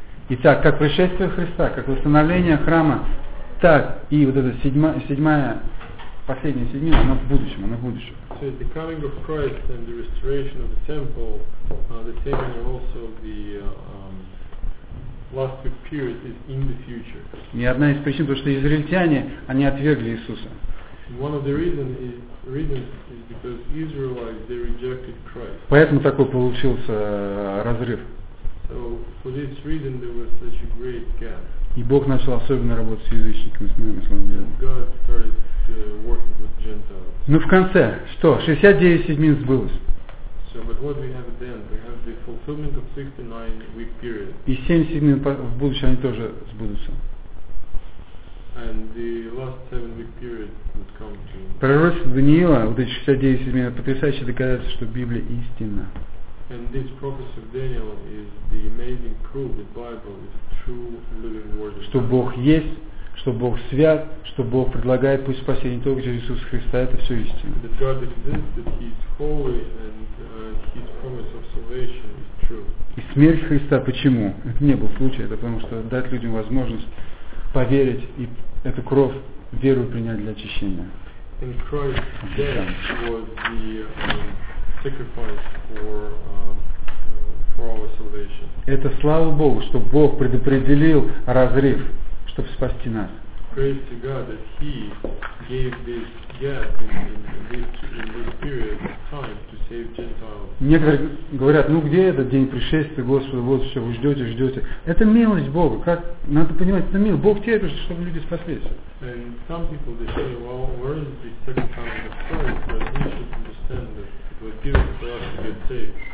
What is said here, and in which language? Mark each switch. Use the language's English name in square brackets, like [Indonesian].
[Russian] Итак, как пришествие Христа, как восстановление храма, так и вот эта седьмая последняя седьмина, она в будущем, она в будущем. [English] So the coming of Christ and the restoration of the temple, the saving and also the last period is in the future. [Russian] Не одна из причин, потому что израильтяне, они отвергли Иисуса. [English] One of the reasons is because Israelites, they rejected Christ. [Russian] Поэтому такой получился разрыв. [English] So for this reason there was such a great gap. [Russian] И Бог начал особенно работать с язычниками, с моими словами. [English] God started working with Gentiles. [Russian] Ну в конце, что? 69 седьмин сбылось. [English] So but what we have then? We have the fulfillment of 69-week period. [Russian] И 7 седьмин в будущем они тоже сбудутся. [English] And the last 7-week period would come to. [Russian] Пророчество Даниила, вот эти 69 седьмин, потрясающе доказательство, что Библия истинна. [English] And this prophecy of Daniel is the amazing proof that Bible is true living word. [Russian] Что Бог есть, что Бог свят, что Бог предлагает путь спасения только через Иисуса Христа, это все истина. [English] That God exists, that He is holy, and His promise of salvation is true. [Russian] И смерть Христа, почему? Это не был случай, это потому что дать людям возможность поверить и эту кровь веру принять для очищения. [English] In Christ, death was the sacrifice for our salvation. [Russian] Это слава Богу, что Бог предопределил разрыв, чтобы спасти нас. [English] Praise to God that He gave this gap in this period of time to save Gentiles. [Russian] Некоторые говорят, ну где этот день пришествия Господа, вот все, вы ждете. Это милость Бога, как, надо понимать, это милость. Бог терпит, чтобы люди спаслись. [English] And some people, they say, well, where is this second coming of Christ, but we should understand that it was given for us to get saved.